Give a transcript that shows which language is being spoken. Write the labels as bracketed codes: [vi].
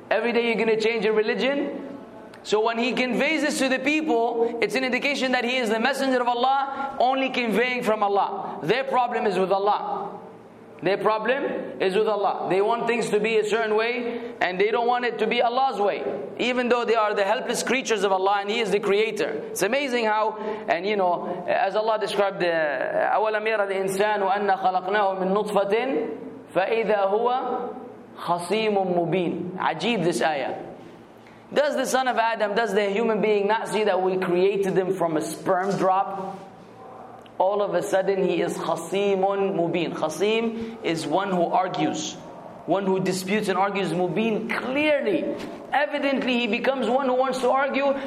[en] Every day you're going to change your religion? So when he conveys this to the people, it's an indication that he is the messenger of Allah, only conveying from Allah. Their problem is with Allah. Their problem is with Allah. They want things to be a certain way, and they don't want it to be Allah's way. Even though they are the helpless creatures of Allah, and He is the Creator. It's amazing how, and you know, as Allah described, [ar] أَوَلَمْ يَرَ الْإِنسَانُ أَنَّ خَلَقْنَاهُ مِن نُطْفَةٍ فَإِذَا هُوَ خَصِيمٌ مُبِينٌ. [en] Ajeeb, this ayah. Does the son of Adam, does the human being not see that we created them from a sperm drop? All of a sudden, he is khasimun mubin. Khasim is one who argues. One who disputes and argues mubin clearly. Evidently, he becomes one who wants to argue.